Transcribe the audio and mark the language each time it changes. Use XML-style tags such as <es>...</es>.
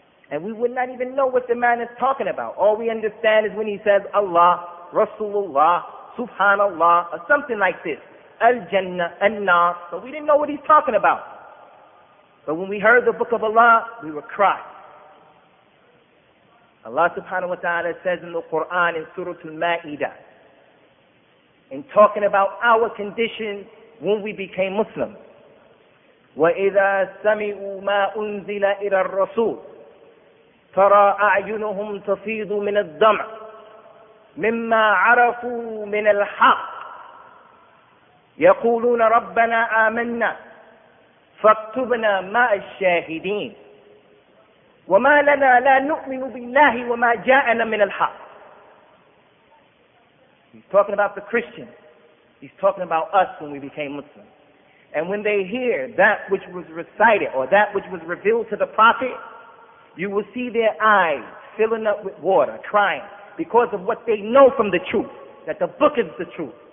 <en>And we would not even know what the man is talking about. All we understand is when he says Allah, Rasulullah, Subhanallah, or something like this. Al-Jannah, Al-Nar. So we didn't know what he's talking about. But when we heard the Book of Allah, we would cry. Allah subhanahu wa ta'ala says in the Quran in Surah Al-Ma'idah, in talking about our condition when we became Muslim,</en> <ar>وَإِذَا سَمِعُوا مَا أُنزِلَ إِلَى الرَّسُولِ تَرَى أَعْيُنُهُمْ تَفِيضُ مِنَ الدَّمْعِ مِمَّا عَرَفُوا مِنَ الْحَقِّ يَقُولُونَ رَبَّنَا آمَنَّا فَاكْتُبْنَا مَعَ الشَّاهِدِينَ وَمَا لَنَا لَا نُؤْمِنُ بِاللَّهِ وَمَا جَاءَنَا مِنَ الْحَقِّ.</ar> <en>He's talking about the Christian. He's talking about us when we became Muslim. And when they hear that which was recited or that which was revealed to the Prophet, you will see their eyes filling up with water, crying, because of what they know from the truth, that the book is the truth.</en>